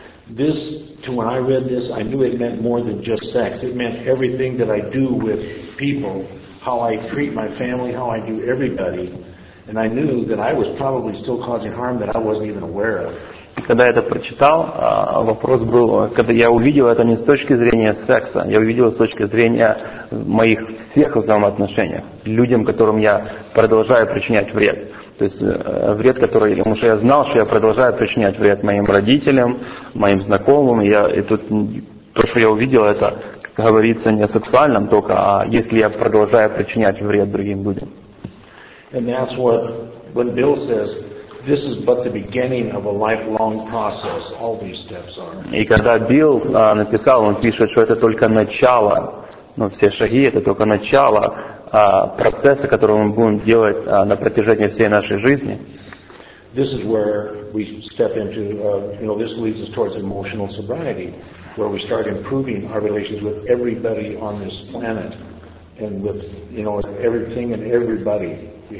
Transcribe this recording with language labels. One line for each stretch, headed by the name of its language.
English: This, to when I read this, I knew it meant more than just sex. It meant everything that I do with people, how I treat my family, how I do everybody. And I knew that I was probably still causing harm that I wasn't even aware of.
Russian: И когда я это прочитал, вопрос был, когда я увидел это не с точки зрения секса, я увидел с точки зрения моих всех взаимоотношений, людям, которым я продолжаю причинять вред. То есть вред, который, потому что я знал, что я продолжаю причинять вред моим родителям, моим знакомым. И тут то, что я увидел, это говорится не о сексуальном только, а если я продолжаю причинять вред другим людям.
English: And that's what, when Bill says, this is but the beginning of a lifelong process, all these steps are.
Russian: И когда Билл написал, он пишет, что это только начало, но все шаги это только начало процесса, который мы будем делать на протяжении всей нашей жизни.
English: This is where we step into, this leads us towards emotional sobriety, where we start improving our relations with everybody on this planet, and with, everything and everybody.